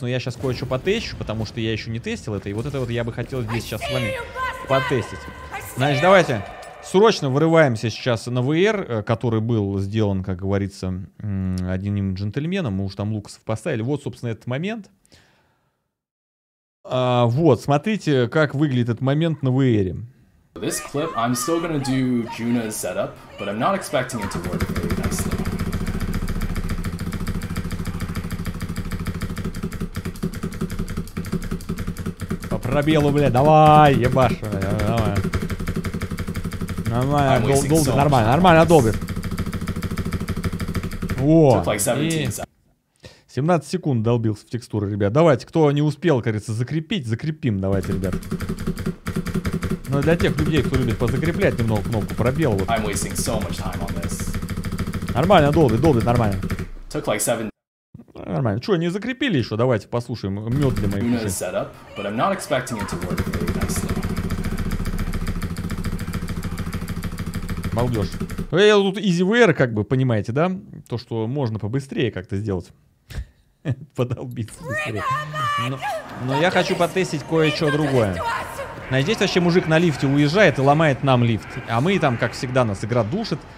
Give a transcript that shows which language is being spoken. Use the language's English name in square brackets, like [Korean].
[Russian] Но я сейчас кое-что потещу, потому что я еще не тестил это. И вот это вот я бы хотел здесь сейчас с вами потестить. Значит, давайте срочно вырываемся сейчас на VR, который был сделан, как говорится, одним джентльменом. Мы уж там Лукасов поставили. Вот, собственно, этот момент. Вот, смотрите, как выглядит этот момент на VR. [English] This clip, I'm still gonna do Juna's setup, but I'm not expecting it to work very nicely. [Russian] По пробелу, блядь, давай, ебаш, давай. Нормально, долбит, нормально, нормально, долбит. О, и... 17 секунд долбился в текстуры, ребят. Давайте, кто не успел, кажется, закрепить, закрепим, давайте, ребят. Но для тех людей, кто любит позакреплять немного кнопку пробел, вот. [English] I'm wasting so much time on this. [Russian] Нормально, долбит, долбит, нормально. [English] Took like seven... [Russian] Нормально. Че, не закрепили еще? Давайте послушаем мед для моих ушей. [English] Setup, but I'm not expecting it to work very nicely. [Russian] Балдеж. Я тут [English] easy wear, [Russian] как бы, понимаете, да? То, что можно побыстрее как-то сделать. Подолбиться быстрее. Но я хочу потестить кое-что другое. Здесь вообще мужик на лифте уезжает и ломает нам лифт. А мы там, как всегда, нас игра душит.